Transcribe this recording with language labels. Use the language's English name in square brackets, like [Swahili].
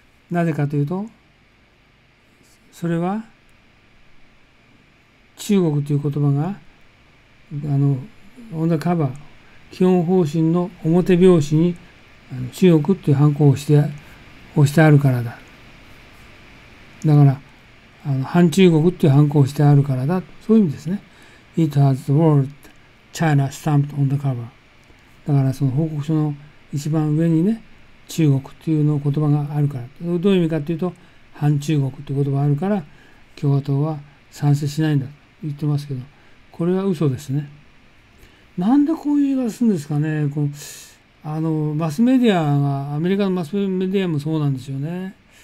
[Japanese] なぜかというと、それは中国という言葉が、あのオンザカバー、基本方針の表拍子に中国という判子を押してあるからだ。だから、あの反中国という判子を押してあるからだ。そういう意味ですね。 [English] It has the word China stamped on the cover。 [Japanese] だからその報告書の一番上にね、中国というの言葉があるから、どういう意味かというと、反中国という言葉があるから共和党は賛成しないんだと言ってますけど、これは嘘ですね。なんでこういう言い方するんですかね。あのマスメディアが、アメリカのマスメディアもそうなんですよね。